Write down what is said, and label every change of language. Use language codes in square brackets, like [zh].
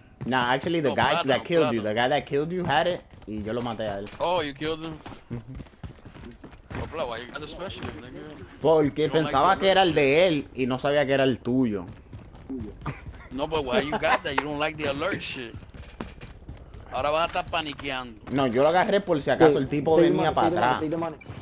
[en] Nah, actually the guy that killed you had it, [es] y yo lo maté a él. [en] Oh, you killed him? Oh, bro, why you got the specialist, nigga? [es] Porque pensaba que era el de él, y no sabía que era el tuyo. [en] No, but why you got that? You don't like the alert shit. [es] Ahora vas a estar paniqueando. No, yo lo agarré por si acaso el tipo venía para atrás.